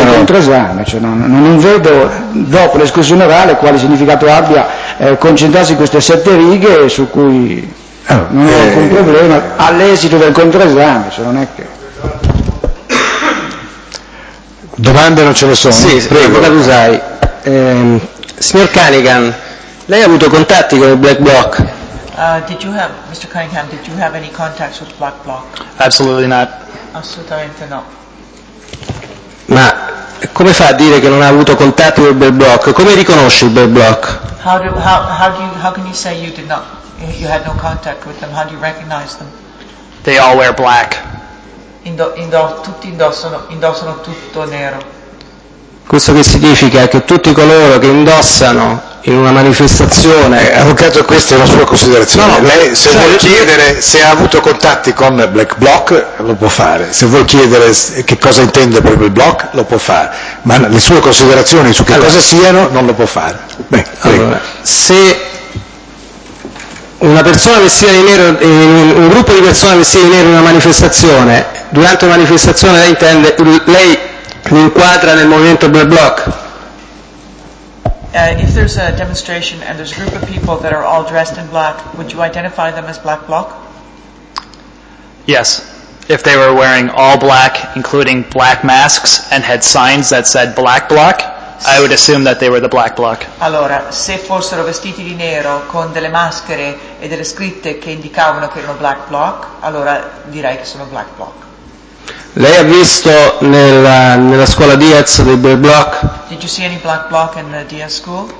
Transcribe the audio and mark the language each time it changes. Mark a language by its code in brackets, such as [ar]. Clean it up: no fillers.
[it] un controesame, cioè non vedo dopo l'esclusione orale quale significato abbia concentrarsi in queste sette righe su cui non ho alcun problema all'esito del controesame, cioè non è che. Domande non ce ne sono. Sì, prego. Lusai. Signor Cunningham, lei ha avuto contatti con il Black Bloc? [en] Mr. Cunningham, did you have any contacts with Black Bloc? Absolutely not. [it] Assolutamente no. Ma come fa a dire che non ha avuto contatti con il Black Bloc? Come riconosce il Black Bloc? [en] How can you say you had no contact with them? How do you recognize them? They all wear black. [it] Tutti indossano tutto nero. Questo che significa che tutti coloro che indossano in una manifestazione. Avvocato, questa è la sua considerazione. No, lei se vuol chiedere se ha avuto contatti con Black Bloc lo può fare. Se vuol chiedere che cosa intende per Black Bloc lo può fare. Ma le sue considerazioni su che cosa siano non lo può fare. Se una persona vestita di nero, un gruppo di persone vestite di nero in una manifestazione, durante una manifestazione lei intende, lei li inquadra nel movimento Black Bloc? [en] If there's a demonstration and there's a group of people that are all dressed in black, would you identify them as Black Bloc? Yes. If they were wearing all black, including black masks, and had signs that said Black Bloc, I would assume that they were the Black Bloc. [it] Allora, se fossero vestiti di nero con delle maschere e delle scritte che indicavano che erano Black Bloc, allora direi che sono Black Bloc. Lei ha visto nella scuola Diaz dei Black Bloc? [en] Did you see any Black Bloc in the Diaz school?